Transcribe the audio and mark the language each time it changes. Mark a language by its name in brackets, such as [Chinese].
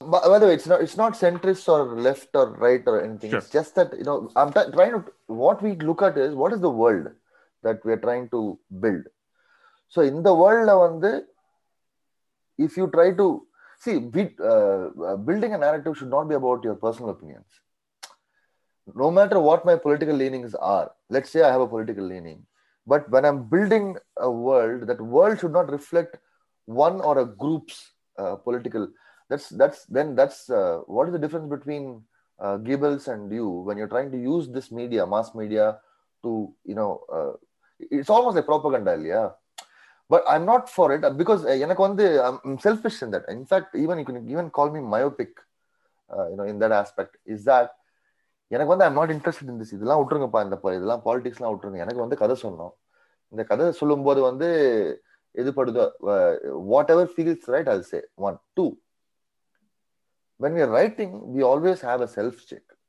[English] By the way, it's not centrist or left or right or anything, it's just that you know I am trying to, what we look at is what is the world that we are trying to build. So in the வேர்ல்ட்ல வந்து if you try to see building a narrative should not be about your personal opinions. No matter what my political leanings are, let's say I have a political leaning, but when I'm building a world, that world should not reflect one or a group's political. What is the difference between Goebbels and you when you're trying to use this media, mass media, to, you know, it's almost like propaganda, yeah. But I'm not for it because I'm selfish in that. In fact, even you can even call me myopic, you know, in that aspect, is that [Tamil] எனக்கு வந்து I'm not interest in this, இதெல்லாம் விட்டுருங்கப்பா, இந்த இதெல்லாம் பாலிடிக்ஸ்லாம் விட்டுருங்க, எனக்கு வந்து கதை சொல்லணும். இந்த கதை சொல்லும்போது வந்து எதுப்படுதோ [English] Whatever feels right I'll say. One two, when you are writing we always have a self check.